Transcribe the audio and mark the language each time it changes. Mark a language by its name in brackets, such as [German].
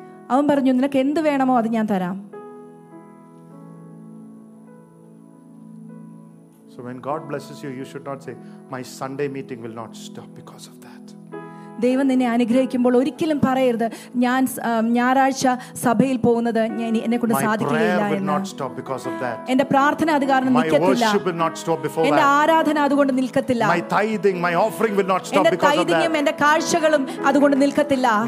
[Malayalam] അവൻ പറഞ്ഞു, നിനക്ക് എന്ത് വേണമോ അത് ഞാൻ തരാം. [English] So when God blesses you, you should not say, my Sunday meeting will not stop because of that. [Malayalam] ദൈവം നിന്നെ അനുഗ്രഹിക്കുമ്പോൾ ഒരിക്കലും പറയരുത് ഞാൻ ഞായറാഴ്ച സഭയിൽ പോകുന്നത് എന്നെ കൊണ്ട് സാധിക്കില്ല എന്ന്. എന്റെ പ്രാർത്ഥന അത് കാരണം നിൽക്കത്തില്ല. എന്റെ ആരാധന അതുകൊണ്ട് നിൽക്കത്തില്ല. എന്റെ തൈദിങ്ങും എന്റെ കാഴ്ചകളും അതുകൊണ്ട് നിൽക്കത്തില്ല.